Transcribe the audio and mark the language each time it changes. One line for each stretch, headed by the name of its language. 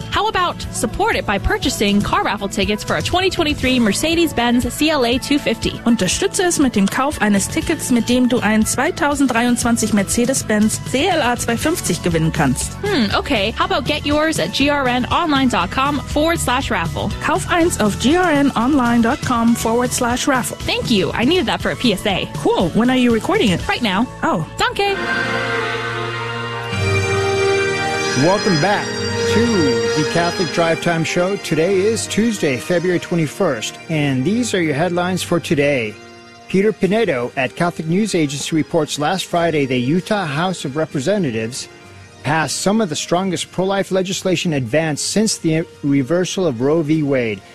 English: How about support it by purchasing car raffle tickets for a 2023 Mercedes-Benz CLA 250?
German: Unterstütze es mit dem Kauf eines Tickets, mit dem du ein 2023 Mercedes-Benz CLA 250 gewinnen kannst. Okay.
English: How about get yours at grnonline.com/raffle?
German: Kauf eins auf grnonline.com/raffle.
English: Thank you. I needed that for a PSA. Cool. When are you recording it? Right now. Oh.
German: Danke.
English: Welcome back to the Catholic Drive Time Show. Today is Tuesday, February 21st, and these are your headlines for today. Peter Pinedo at Catholic News Agency reports last Friday the Utah House of Representatives passed some of the strongest pro-life legislation advanced since the reversal of Roe v. Wade.